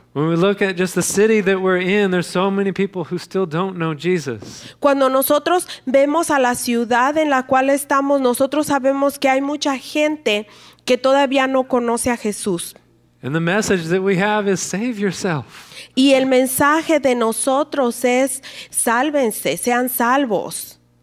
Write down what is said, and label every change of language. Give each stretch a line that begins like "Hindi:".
English: When we look at just the city that we're in, there's so many people who still don't know Jesus.
Spanish: Cuando nosotros vemos a la ciudad en la cual estamos, nosotros sabemos que hay mucha gente que todavía no conoce a Jesús.
English: And the message that we have is save yourself.
Spanish: Y el mensaje de nosotros es sálvense, sean salvos.